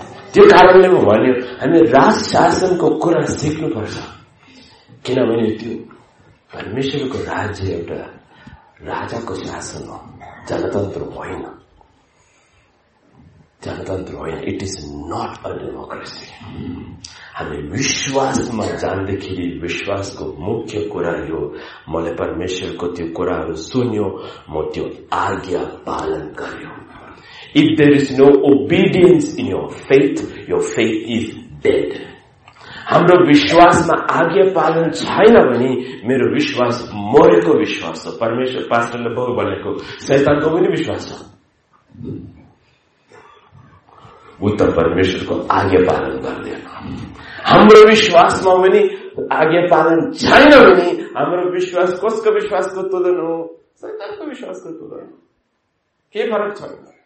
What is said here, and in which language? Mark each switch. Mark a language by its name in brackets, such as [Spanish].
[Nepali] त्यो कारणले म भन्यो, हामी राज शासनको कुरा सिक्नुपर्छ, किनभने त्यो परमेश्वरको राज्य एउटा राजाको शासन हो, जनतन्त्र होइन, जनतन्त्र होइन। [English] It is not a democracy. [Nepali] हामी विश्वासमा जाँदाखेरि विश्वासको मुख्य कुरा यो, मैले परमेश्वरको त्यो कुराहरू सुन्यो, म त्यो आज्ञा पालन गर्यो। [English] If there is no obedience in your faith is dead. [Nepali] हाम्रो विश्वासमा आज्ञा पालन छैन भने मेरो विश्वास मरेको विश्वास हो। परमेश्वर पास्टरले बहु भनेको शैतानको पनि विश्वास छ, ऊ त परमेश्वरको आज्ञा पालन गर्दैन। हाम्रो विश्वासमा पनि आज्ञा पालन छैन भने हाम्रो विश्वास कसको विश्वासको तुलन हो, शैतानको विश्वासको तुलन हो, केही फरक छैन।